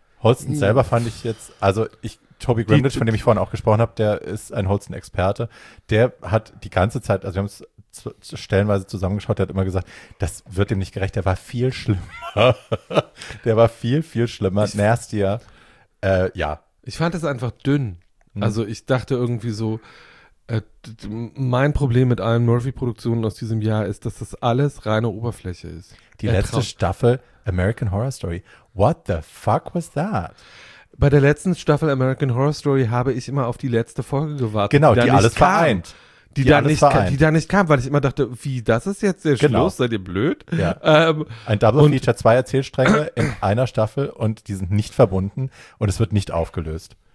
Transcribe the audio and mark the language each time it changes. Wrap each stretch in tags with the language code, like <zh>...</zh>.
<de>Holsten selber fand ich jetzt, also ich Toby Grimlich, von dem ich vorhin auch gesprochen habe, der ist ein Holsten-Experte, der hat die ganze Zeit, also wir haben es stellenweise zusammengeschaut, der hat immer gesagt, das wird ihm nicht gerecht, der war viel schlimmer. Der war viel, viel schlimmer, nastier. Ich fand es einfach dünn. Also ich dachte irgendwie so, mein Problem mit allen Murphy-Produktionen aus diesem Jahr ist, dass das alles reine Oberfläche ist. Die letzte Staffel American Horror Story,</de> <en>what the fuck was that?</en> <de>Bei der letzten Staffel American Horror Story habe ich immer auf die letzte Folge gewartet. Genau, die alles vereint. Die da nicht kam, weil ich immer dachte, wie, das ist jetzt der Schluss, seid ihr blöd? Ja. Ein Double Feature, zwei Erzählstränge in einer Staffel und die sind nicht verbunden und es wird nicht aufgelöst.</de>